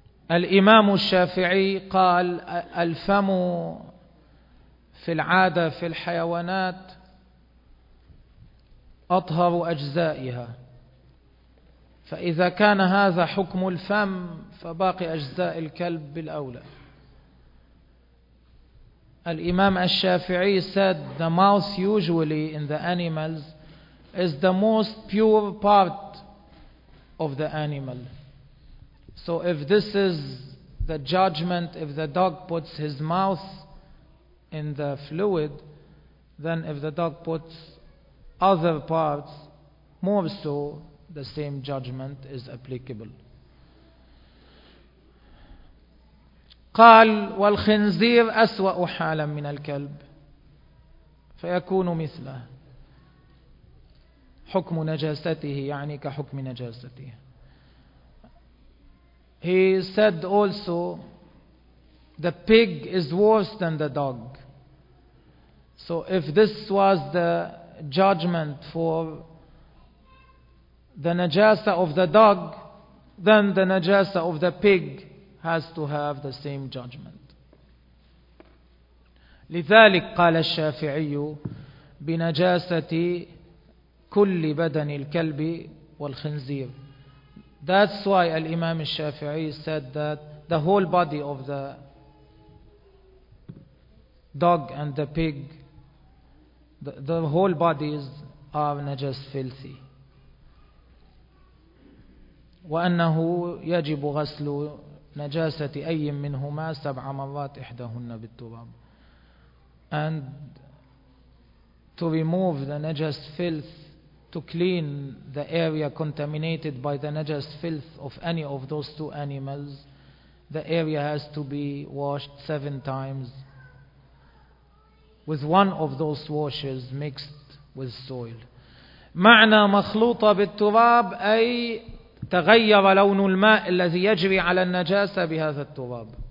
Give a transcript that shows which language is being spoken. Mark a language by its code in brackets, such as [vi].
[ar] الإمام الشافعي قال الفم في العادة في الحيوانات أطهر أجزائها فإذا كان هذا حكم الفم فباقي أجزاء الكلب بالأولى. [en] الإمام الشافعي said the mouth usually in the animals is the most pure part of the animal. So if this is the judgment, if the dog puts his mouth in the fluid, then if the dog puts other parts, more so, the same judgment is applicable. [ar] قال والخنزير أسوأ حالا من الكلب فيكون مثله حكم نجاسته يعني كحكم نجاسته. [en] He said also the pig is worse than the dog So if this was the judgment for the najasa of the dog, then the najasa of the pig has to have the same judgment. [ar] لذلك قال الشافعي بنجاسة كل بدن الكلب والخنزير. [en] That's why Imam al-Shafi'i said that the whole body of the dog and the pig, the whole bodies are najas, filthy. [ar] وأنه يجب غسل نجاسة أي منهما سبع مرات إحداهن بالتراب. [en] And to remove the najas, filth, to clean the area contaminated by the najas, filth of any of those two animals, the area has to be washed 7 times with one of those washes mixed with soil. [ar] معنى مخلوطة بالتراب أي تغير لون الماء الذي يجري على النجاسة بهذا التراب.